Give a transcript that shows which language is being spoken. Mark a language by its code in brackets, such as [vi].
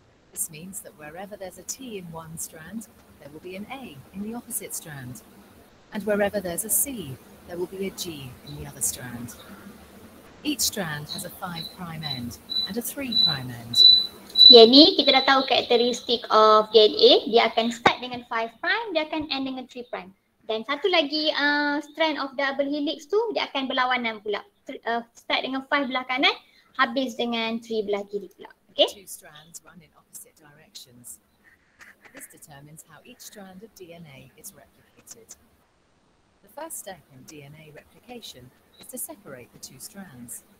[en] This means that wherever there's a T in one strand, there will be an A in the opposite strand. And wherever there's a C, there will be a G in the other strand. Each strand has a 5' end and a 3' end. [ms] Ya ni kita dah tahu karakteristik of DNA, dia akan start dengan 5', dia akan end dengan 3'. Dan satu lagi strand of double helix tu, dia akan berlawanan pula. Start dengan 5 belah kanan, habis dengan 3 belah kiri pula. [en] Okay? Two strands run in opposite directions. This determines how each strand of DNA is replicated. The first step in DNA replication is to separate the two strands.